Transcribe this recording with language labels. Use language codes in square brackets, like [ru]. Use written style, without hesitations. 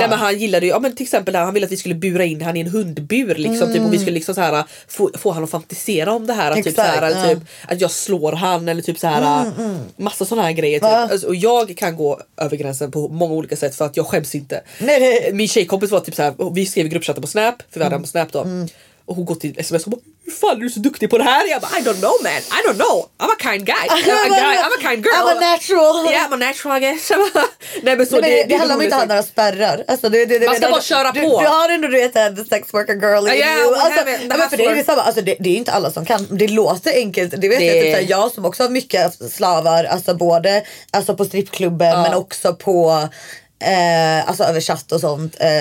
[sv] Nej, men han gillade ju, ja, men till exempel han ville att vi skulle bura in han i en hundbur liksom, typ, och vi skulle liksom så här få han att fantisera om det här, exakt, typ så här, eller typ att jag slår han, eller typ så här massa såna här grejer, typ. Alltså, och jag kan gå över gränsen på många olika sätt, för att jag skäms inte. Nej. Min tjejkompis var typ så här, vi skrev i gruppchatten på Snap, för vi hade på Snap då. Och hon går till SMS och bara, hur fan är du så duktig på det här? Jag bara, [en] I don't know, man, I don't know, I'm a kind guy, I'm a kind girl, I'm a natural. Yeah, I'm a natural, I guess. [sv] Nej, men så det handlar om inte att ha några spärrar, alltså, man ska bara köra på. Du har ändå, du vet, [en] the sex worker girl. [sv] Det är inte alla som kan. Det låter enkelt, det vet jag, typ, jag som också har mycket slavar, alltså, både alltså på strippklubben, men också på alltså över chatt och sånt.